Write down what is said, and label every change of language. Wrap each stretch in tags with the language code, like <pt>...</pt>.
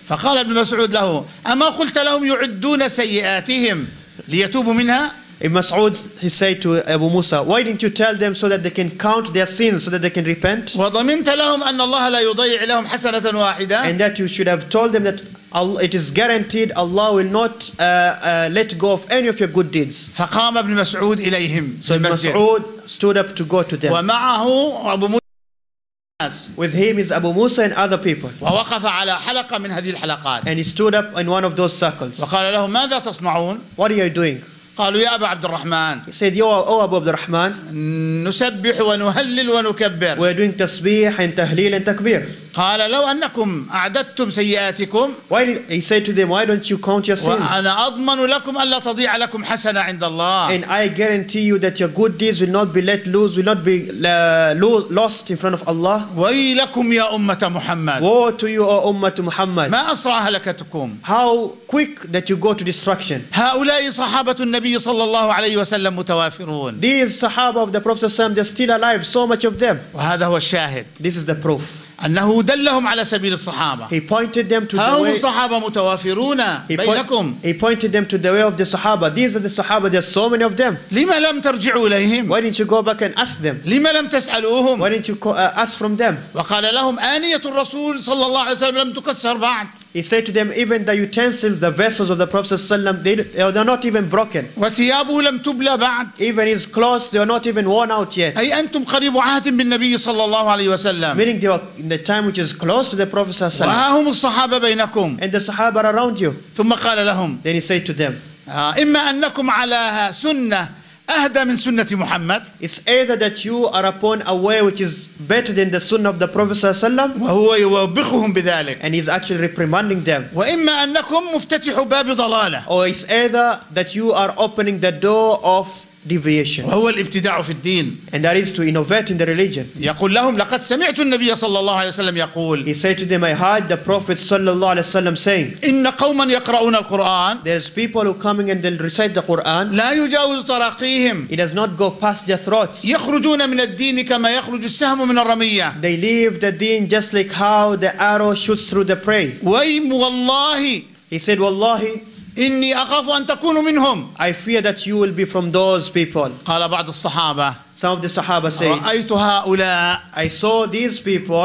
<ar>فقال ابن مسعود له أما قلت لهم يعدون سيئاتهم ليتوبوا منها.</ar> <en>Ibn Mas'ud, he said to Abu Musa, why didn't you tell them so that they can count their sins so that they can repent?</en> <ar>وضمنت لهم أن الله لا يضيع لهم حسنة واحدة.</ar> <en>And that you should have told them that Allah, it is guaranteed Allah will not let go of any of your good deeds.</en> <ar>فقام ابن مسعود إليهم.</ar> <en>So Ibn Mas'ud stood up to go to them.</en> <ar>ومعه أبو موسى.</ar> <en>With him is Abu Musa and other people.</en> <ar>ووقف على حلقة من هذه الحلقات.</ar> <en>And he stood up in one of those circles.</en> <ar>وقال لهم ماذا تصنعون؟</ar> <en>What are you doing?</en> <ar>قالوا يا أبا عبد الرحمن.</ar> <en>He said, "Yo, oh Abu Abd al-Rahman."</en> <ar>نسبح ونهلل ونكبر.</ar> <en>We're doing تسبيح and تهليل and تكبير.</en> <ar>قال لو أنكم أعددتم سيئاتكم.</ar> <en>Why he said to them, "Why don't you count your sins?"</en> <ar>وأنا أضمن لكم ألا تضيع لكم حسنة عند الله.</ar> <en>And I guarantee you that your good deeds will not be let loose, will not be lost in front of Allah.</en> <ar>ويلكم يا أمة محمد.</ar> <en>Woe to you, O Ummah Muhammad.</en> <ar>ما أسرع هلكتكم.</ar> <en>How quick that you go to destruction.</en> <ar>هؤلاء صحابة النبي صلى الله عليه وسلم متوافرون.</ar> <en>These Sahaba of the Prophet</en> <ar>صلى الله عليه وسلم,</ar> <en>they're still alive. So much of them.</en> <ar>وهذا هو الشاهد.</ar> <en>This is the proof.</en> <ar>أنه دلهم على سبيل الصحابة.</ar> <en>He pointed them to the way.</en> <ar>هم صحابة متوافرون بينكم.</ar> <en>He pointed them to the way of the Sahaba. These are the Sahaba. There are so many of them.</en> <ar>لما لم ترجعوا إليهم؟</ar> <en>Why didn't you go back and ask them?</en> <ar>لما لم تسألوهم؟</ar> <en>Why didn't you ask from them?</en> <ar>وقال لهم آنية الرسول صلى الله عليه وسلم لم تكسر بعد.</ar> <en>He said to them, even the utensils, the vessels of the Prophet</en> <ar>صلى الله عليه وسلم,</ar> <en>they're not even broken.</en> <ar>وثيابه لم تبلى بعد.</ar> <en>Even his clothes, they are not even worn out yet.</en> <ar>أي أنتم قريب عهد بالنبي صلى الله عليه وسلم.</ar> <en>Meaning they were the time which is close to the Prophet ﷺ.</en> <ar>وها هم الصحابة بينكم.</ar> <en>And the Sahaba are around you.</en> <ar>ثم قال لهم.</ar> <en>Then he said to them.</en> <ar>إما أنكم على سنة أهدى من سنة محمد.</ar> <en>It's either that you are upon a way which is better than the Sunnah of the Prophet ﷺ.</en> <ar>وهو يوبخهم بذلك.</ar> <en>And he's actually reprimanding them.</en> <ar>وإما أنكم مفتتح باب ضلالة.</ar> <en>Or it's either that you are opening the door of deviation.</en> <ar>وهو الابتداع في الدين.</ar> <en>And that is to innovate in the religion.</en> <ar>يقول لهم لقد سمعت النبي صلى الله عليه وسلم يقول.</ar> <en>He said to them, I heard the Prophet</en> <ar>صلى الله عليه وسلم</ar> <en>saying.</en> <ar>إن قوما يقرؤون القرآن.</ar> <en>There's people who coming and they'll recite the Quran.</en> <ar>لا يجاوز طراقيهم.</ar> <en>It does not go past their throats.</en> <ar>يخرجون من الدين كما يخرج السهم من الرمية.</ar> <en>They leave the deen just like how the arrow shoots through the prey.</en> <ar>ويم والله.</ar> <en>He said, Wallahi.</en> <ar>إني أخاف أن تكونوا منهم.</ar> <en>I fear that you will be from those people.</en> <ar>قال بعض الصحابة.</ar> <en>Some of the Sahaba say.</en> <ar>رأيت هؤلاء.</ar> <en>I saw these people.</en>